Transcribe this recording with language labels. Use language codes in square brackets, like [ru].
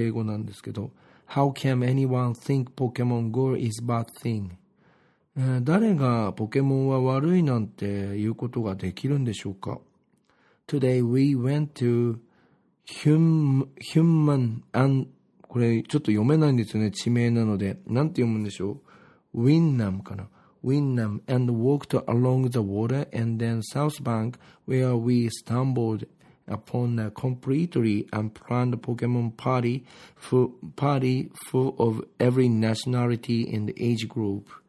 [ja] 英語なんですけど、 [en] How can anyone think Pokemon Go is a bad thing? [ja] 誰がポケモンは悪いなんて言うことができるんでしょうか。 [en] Today we went to human and、 [ja] これちょっと読めないんですよね、地名なので。なんて読むんでしょう、 [en] Winnam かな、Winnam, and walked along the water and then south bank where we stumbled upon a completely unplanned Pokemon party full of every nationality and age group.